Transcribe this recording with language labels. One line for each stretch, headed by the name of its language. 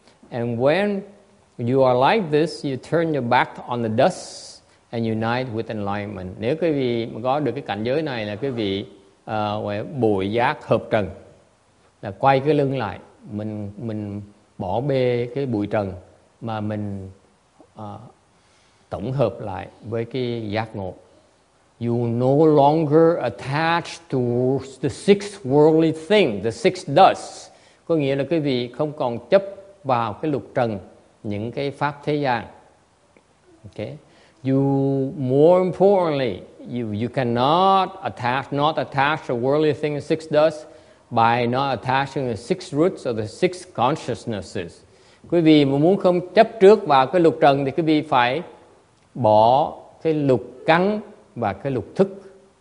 English: And when you are like this, you turn your back on the dust and unite with enlightenment.
Vietnamese: Nếu quý vị có được cái cảnh giới này là quý vị bụi giác hợp trần, là quay cái lưng lại, mình bỏ bê cái bụi trần mà mình tổng hợp lại với cái giác ngộ.
English: You no longer attach to the six worldly things, the six dust.
Vietnamese: Có nghĩa là quý vị không còn chấp vào cái lục trần, những cái pháp thế gian.
English: Okay. You, more importantly, you cannot attach the worldly thing, the six dust, by not attaching the six roots of the six consciousnesses.
Vietnamese: Quý vị mà muốn không chấp trước vào cái lục trần thì quý vị phải bỏ cái lục căn và cái lục thức.